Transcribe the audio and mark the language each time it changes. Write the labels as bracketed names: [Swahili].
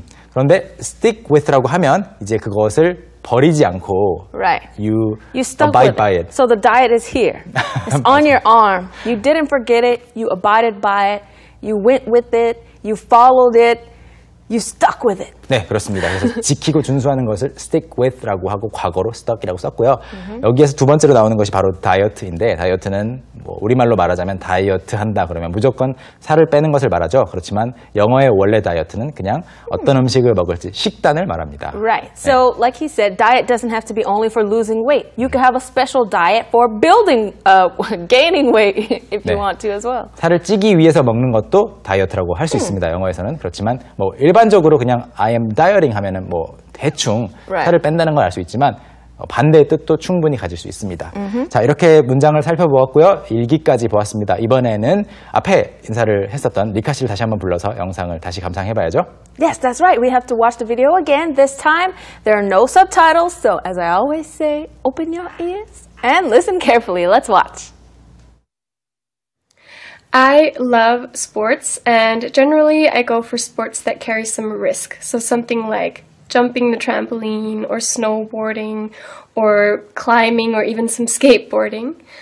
[Korean] 그런데 stick with라고 하면 이제 그것을 버리지 않고 [English] right. you stuck abide with it. By it. So the diet is here. It's on your arm. You didn't forget it. You abided by it. You went with it. You followed it, you stuck with it. [Korean] 네, 그렇습니다. 그래서 지키고 준수하는 것을 stick with라고 하고 과거로 stuck이라고 썼고요. 여기에서 두 번째로 나오는 것이 바로 다이어트인데 다이어트는 뭐 우리말로 말하자면 다이어트 한다 그러면 무조건 살을 빼는 것을 말하죠. 그렇지만 영어의 원래 다이어트는 그냥 어떤 음식을 먹을지 식단을 말합니다. [English] Right. So 네. like he said, diet doesn't have to be only for losing weight. You could have a special diet for building, gaining weight if you 네. want to as well. [Korean] 살을 찌기 위해서 먹는 것도 다이어트라고 할 수 있습니다. 영어에서는 그렇지만 뭐 일반적으로 그냥 [English] I am dieting [Korean] 하면은 뭐 대충 right. 살을 뺀다는 걸 알 수 있지만 반대의 뜻도 충분히 가질 수 있습니다. Mm-hmm. 자, 이렇게 문장을 살펴보았고요. 일기까지 보았습니다. 이번에는 앞에 인사를 했었던 리카 씨를 다시 한번 불러서 영상을 다시 감상해봐야죠. [English] Yes, that's right. We have to watch the video again. This time, there are no subtitles. So, as I always say, open your ears and listen carefully. Let's watch. I love sports, and generally, I go for sports that carry some risk. So, something like jumping the trampoline, or snowboarding, or climbing, or even some skateboarding.